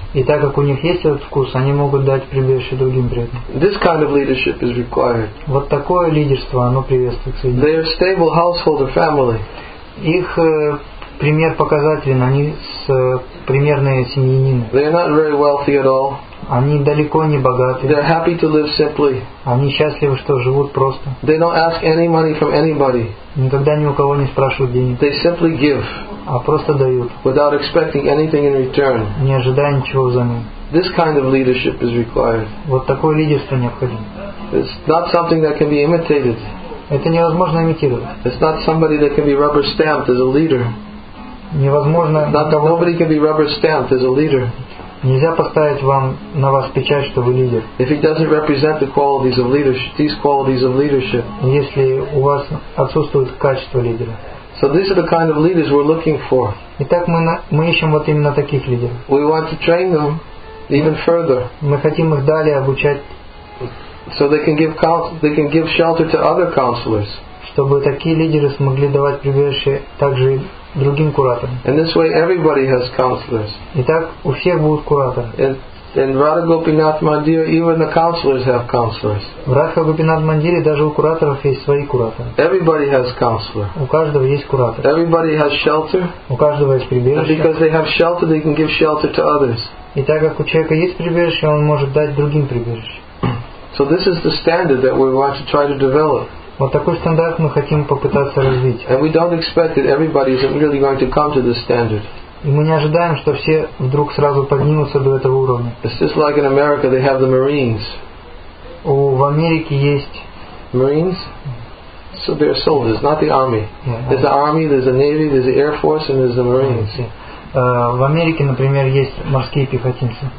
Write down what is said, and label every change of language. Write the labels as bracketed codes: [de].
[ru] И так как у них есть этот вкус, они могут дать прибежище другим преданным. [en] This kind of leadership is required. [ru] Вот такое лидерство, оно приветствуется. [en] They are stable household or family. [ru] Их пример показателен, они примерные семьянины. [en] They are not very wealthy at all. [ru] Они далеко не богаты. [en] They are happy to live simply. [ru] Они счастливы, что живут просто. [en] They don't ask any money from anybody. [ru] Никогда ни у кого не спрашивают денег. [en] They simply give. [ru] А просто дают. [en] Without expecting anything in return. [ru] Не ожидая ничего взамен. [en] This kind of leadership is required. [ru] Вот такое лидерство необходимо. [en] It's not something that can be imitated. [ru] Это невозможно имитировать. [en] It's not somebody that can be rubber stamped as a leader. [ru] Невозможно. [en] Nobody can be rubber stamped as a leader. [ru] Нельзя поставить вам на вас печать, что вы лидер. [en] If he doesn't represent the qualities of leadership, these qualities of leadership. [ru] Если у вас отсутствует качество лидера. [en] So these are the kind of leaders we're looking for. [ru] Итак, мы ищем вот именно таких лидеров. [en] We want to train them even further. [ru] Мы хотим их далее обучать. [en] So they can give shelter to other counselors. [ru] Чтобы такие лидеры смогли давать прибежище также другим кураторам. [en] And this way everybody has counselors. [ru] Итак, у всех будут кураторы. [en] And Radha Gopinath Mandir, even the counselors have counselors. [ru] В Радха Гопинат Мандире даже у кураторов есть свои кураторы. [en] Everybody has counselor. [ru] У каждого есть куратор. [en] Everybody has shelter. [ru] У каждого есть прибежище. [en] And because they have shelter, they can give shelter to others. [ru] И так как у человека есть прибежище, он может дать другим прибежище. [en] So this is the standard that we want to try to develop. [ru] Вот такой стандарт мы хотим попытаться развить. [en] And we don't expect that everybody is really going to come to this standard. [ru] И мы не ожидаем, что все вдруг сразу поднимутся до этого уровня. [en] It's just like in America, they have the Marines. [ru] В Америке есть [en] Marines. So they're soldiers, not the army. Yeah, there's the army, there's the navy, there's the air force, and there's the Marines. [ru] В Америке, например, есть морские пехотинцы.